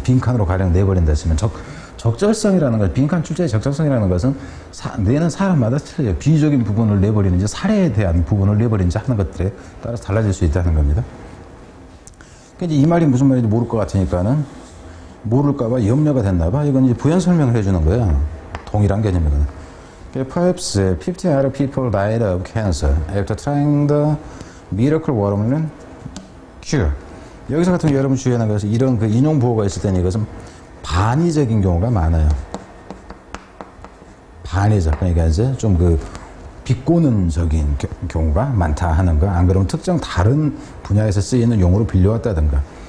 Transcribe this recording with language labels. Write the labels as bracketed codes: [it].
[ko] 빈칸으로 가량 내버린다 했으면 적절성이라는 것, 빈칸 출제의 적절성이라는 것은 내는 사람마다 틀려요. 비유적인 부분을 내버리는지 사례에 대한 부분을 내버리는지 하는 것들에 따라서 달라질 수 있다는 겁니다. 이제 이 말이 무슨 말인지 모를 것 같으니까는 모를까봐 염려가 됐나봐. 이건 이제 부연 설명을 해주는 거야. 동일한 개념이거든. [en] Perhaps 15 other people died of cancer after trying the miracle watermelon cure. [ko] 여기서 같은 여러분 주의하는 것은 이런 그 인용 부호가 있을 때는 이것은 반의적인 경우가 많아요. 반의적. 그러니까 이제 좀 그 비꼬는 적인 경우가 많다 하는 거. 안 그러면 특정 다른 분야에서 쓰이는 용어로 빌려왔다든가.